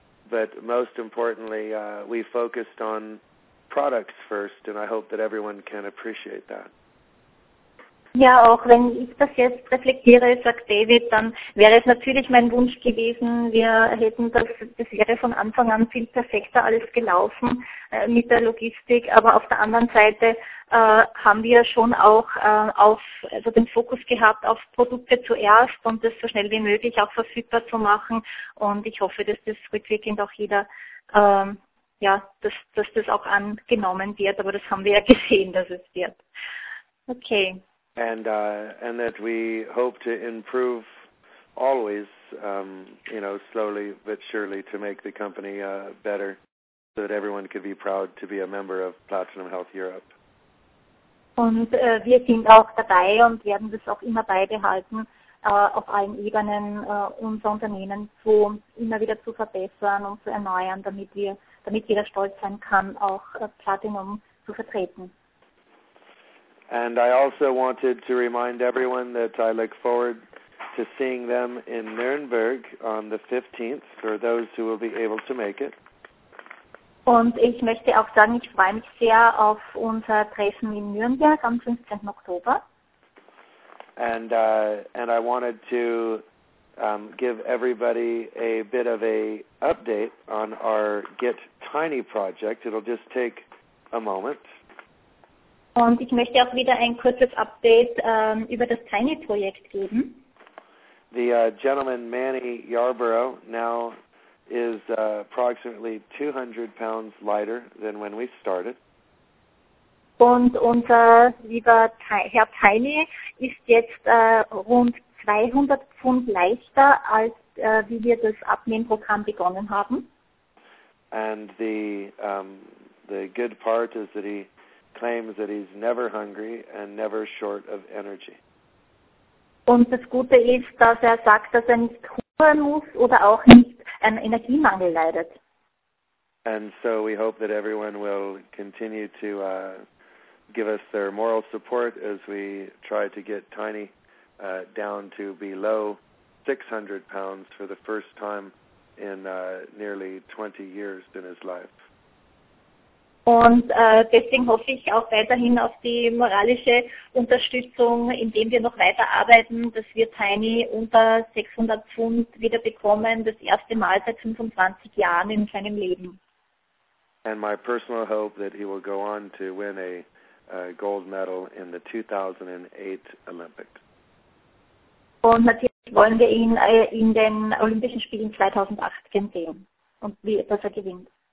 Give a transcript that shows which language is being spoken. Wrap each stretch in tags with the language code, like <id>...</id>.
<en>But most importantly, we focused on products first, and I hope that everyone can appreciate that.</en> <de>Ja, auch wenn ich das jetzt reflektiere, sagt David, dann wäre es natürlich mein Wunsch gewesen, wir hätten das wäre von Anfang an viel perfekter alles gelaufen mit der Logistik, aber auf der anderen Seite haben wir schon auch also den Fokus gehabt auf Produkte zuerst und das so schnell wie möglich auch verfügbar zu machen und ich hoffe, dass das rückwirkend auch jeder, dass das auch angenommen wird, aber das haben wir ja gesehen, dass es wird. Okay.</de> <en>And that we hope to improve always, slowly but surely to make the company better so that everyone could be proud to be a member of Platinum Health Europe.</en> <de>Und wir sind auch dabei und werden das auch immer beibehalten, auf allen Ebenen unser Unternehmen so immer wieder zu verbessern und zu erneuern, damit jeder stolz sein kann, auch Platinum zu vertreten.</de> <en>And I also wanted to remind everyone that I look forward to seeing them in Nürnberg on the 15th for those who will be able to make it.</en> <de>Und ich möchte auch sagen, ich freue mich sehr auf unser Treffen in Nürnberg am 15. Oktober.</de> <en>And I wanted to give everybody a bit of a update on our Get Tiny project. It'll just take a moment.</en> <de>Und ich möchte auch wieder ein kurzes Update über das Tiny-Projekt geben.</de> <en>The gentleman Manny Yarborough now is approximately 200 pounds lighter than when we started.</en> <de>Und unser lieber Herr Tiny ist jetzt rund 200 Pfund leichter, als wie wir das Abnehmprogramm begonnen haben.</de> <en>And the good part is that he claims that he's never hungry and never short of energy.</en> <de>Und das Gute ist, dass er sagt, dass er nicht hungern muss oder auch nicht an Energiemangel leidet.</de> <en>And so we hope that everyone will continue to give us their moral support as we try to get Tiny down to below 600 pounds for the first time in nearly 20 years in his life.</en> <de>Und deswegen hoffe ich auch weiterhin auf die moralische Unterstützung, indem wir noch weiter arbeiten, dass wir Tiny unter 600 Pfund wieder bekommen, das erste Mal seit 25 Jahren in seinem Leben.</de> <en>And my personal hope that he will go on to win a gold medal in the 2008 Olympics.</en> <de>Und natürlich wollen wir ihn in den Olympischen Spielen 2008 sehen und wie dass er gewinnt.</de>